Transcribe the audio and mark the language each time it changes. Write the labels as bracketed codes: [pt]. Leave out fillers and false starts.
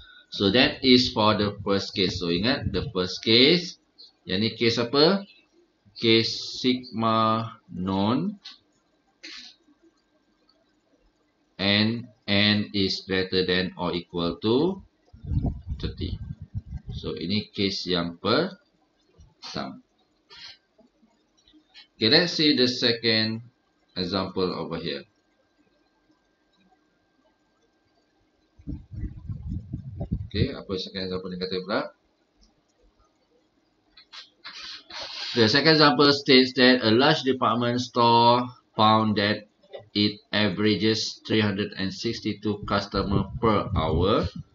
[en] So that is for the first case. So ingat the first case. [ms] Yang ni case apa? Case sigma known. [en] And N is greater than or equal to 30. [ms] So ini case yang pertama. [en] Okay, let's see the second example over here. [ms] Okay, apa second example ni kata pula? [en] The second example states that a large department store found that it averages 362 customer per hour.